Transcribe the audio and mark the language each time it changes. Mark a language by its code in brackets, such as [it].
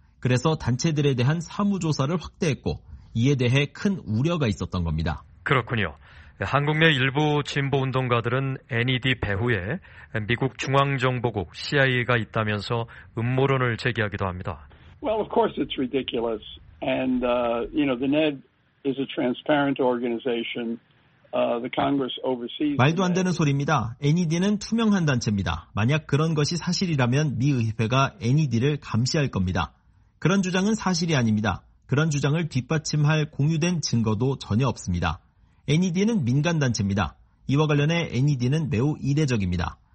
[ko] 그래서 단체들에 대한 사무조사를 확대했고 이에 대해 큰 우려가 있었던 겁니다. 그렇군요. 한국 내 일부 진보 운동가들은 NED 배후에 미국 중앙정보국 CIA가 있다면서 음모론을 제기하기도 합니다. [en] Well, of course it's ridiculous. And you know, the NED is a transparent organization. The Congress oversees. [ko] 말도 안 되는 소리입니다. NED는 투명한 단체입니다. 만약 그런 것이 사실이라면 미 의회가 NED를 감시할 겁니다. 그런 주장은 사실이 아닙니다. 그런 주장을 뒷받침할 공유된 증거도 전혀 없습니다. NED는 민간단체입니다. 이와 관련해 NED는 매우 이례적입니다.